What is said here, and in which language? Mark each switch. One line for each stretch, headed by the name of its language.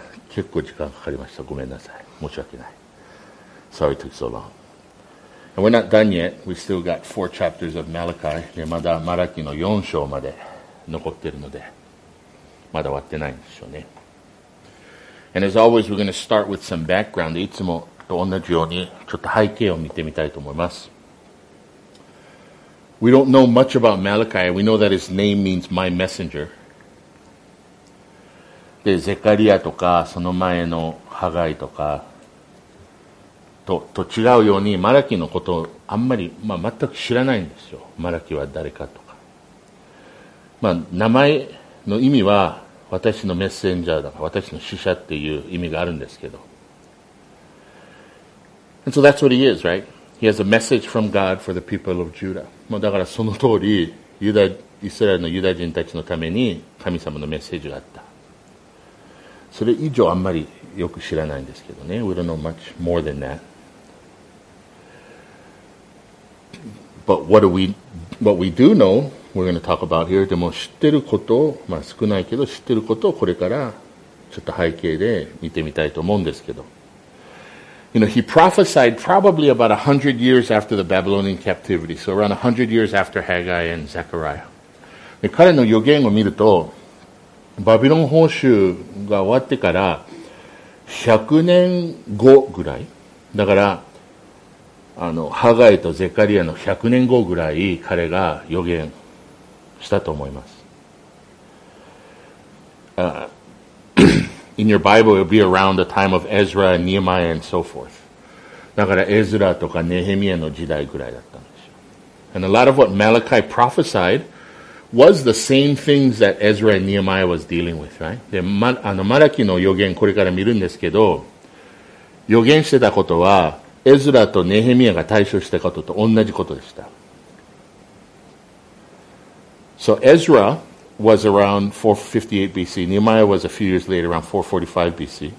Japanese: 結構時間かかりました。ごめんなさい。申し訳ない。
English: Sorry it took so long. And we're not done yet. We still got four chapters of Malachi.
Japanese: で、まだマラキの4章まで残ってるので、まだ終わってないんでしょうね。
English: And as always, we're going to start with some background.
Japanese: いつもと同じようにちょっと背景を見てみたいと思います。
English: We don't know much about Malachi. We know that his name means my messenger.
Japanese: で、ゼカリアとかその前のハガイとかと、と違うようにマラキのことをあんまり、まあ、全く知らないんですよ。マラキは誰かとか。まあ、名前の意味は私のメッセンジャーだから私の使者っていう意味があるんですけど。
English: And so that's what he is, right? He has a message from God for the people of Judah.
Japanese: まあだからその通り、ユダ、イスラエルのユダ人たちのために神様のメッセージがあった。それ以上あんまりよく知らないんですけどね。
English: We don't know much more than that. But what we do know,We're going to talk about here.
Japanese: でも知ってること、まあ、少ないけど知ってることをこれからちょっと背景で見てみたいと思うんですけど。
English: You know, he prophesied probably about 100 years after the Babylonian captivity. So around 100 years after Haggai and Zechariah.
Japanese: で彼の予言を見ると、バビロン捕囚が終わってから100年後ぐらい。だから、あの、ハガイとゼカリアの100年後ぐらい彼が予言。したと思います。
English: in your Bible, it'll be around the time of Ezra and Nehemiah and so forth.
Japanese: だから、エズラとかネヘミヤの時代ぐらいだったんですよ。
English: And a lot of what Malachi prophesied was the same things that Ezra and Nehemiah was dealing with, right?
Japanese: で、ま、あの、マラキの予言これから見るんですけど、予言してたことは、エズラとネヘミヤが対処したことと同じことでした。
English: So Ezra was around 458 BC. Nehemiah was a few years later, around 445 BC.